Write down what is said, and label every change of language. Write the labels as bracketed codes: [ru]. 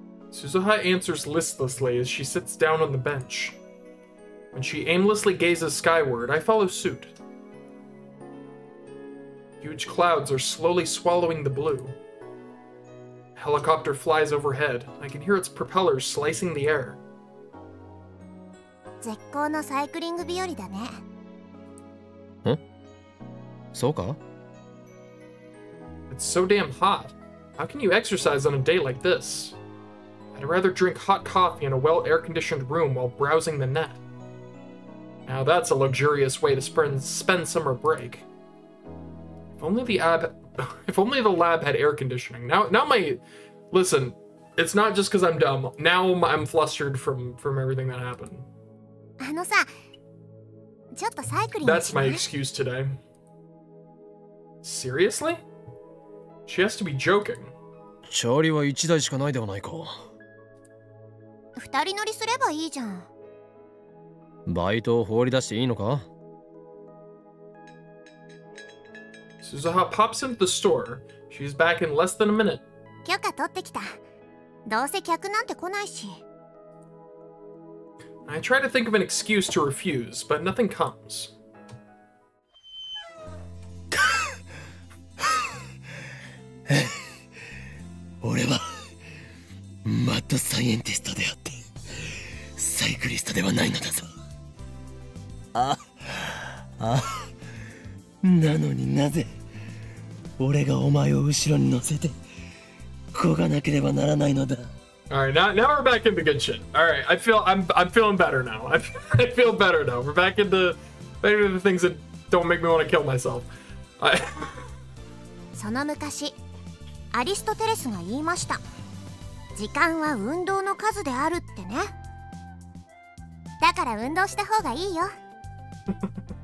[en] Suzuha answers listlessly as she sits down on the bench. When she aimlessly gazes skyward, I follow suit. Huge clouds are slowly swallowing the blue. A helicopter flies overhead. I can hear its propellers slicing the air. [ja] 絶好のサイクリング日和だね。ん？そうか？ [en] It's so damn hot. How can you exercise on a day like this? I'd rather drink hot coffee in a well air-conditioned room while browsing the net. Now that's a luxurious way to spend summer break. If only the lab had air conditioning. Listen, it's not just because I'm dumb. Now I'm flustered from everything that happened. [ja] あのさ、ちょっとサイクリング。 [en] That's my excuse today. Seriously? She has to be joking. [ja] チャーリーは1台しかないではないか。 2人乗りすればいいじゃん。バイトを放り出していいのか？ [en] Suzuha pops into the store. She's back in less than a minute. [ja] 許可取ってきた。どうせ客なんて来ないし。 [en] I try to think of an excuse to refuse, but nothing comes. I'm a mad scientist, and not a cyclist. Ah, ah, ah, ah, ah, ah, ah, ah, ah, ah, ah, ah, ah, ah, ah, ah, ah, ah, ah, ah, ah, ah, ah, ah, ah, ah, ah, ah, ah, ah, ah, ah, ah, ah, Alright, now we're back in the good shit. Alright, I'm feeling better now. I feel better now. We're back into the things that don't make me want to kill myself. [ja] その昔、アリストテレスが言いました。時間は運動の数であるってね。だから運動した方がいいよ。